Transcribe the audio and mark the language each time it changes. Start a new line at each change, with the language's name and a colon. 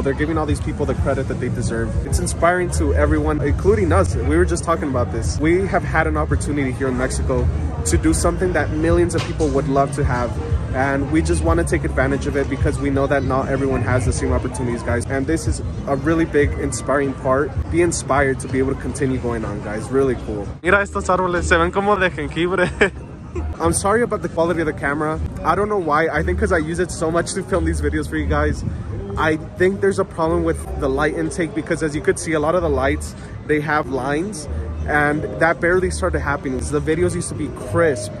English: They're giving all these people the credit that they deserve. It's inspiring to everyone, including us. We were just talking about this. We have had an opportunity here in Mexico to do something that millions of people would love to have. And we just want to take advantage of it because we know that not everyone has the same opportunities, guys. And this is a really big inspiring part. Be inspired to be able to continue going on, guys. Really cool.
Spanish: Mira estos árboles, se ven como de jengibre.
English: I'm sorry about the quality of the camera. I don't know why. I think because I use it so much to film these videos for you guys. I think there's a problem with the light intake because as you could see, a lot of the lights, they have lines. And that barely started happening. The videos used to be crisp.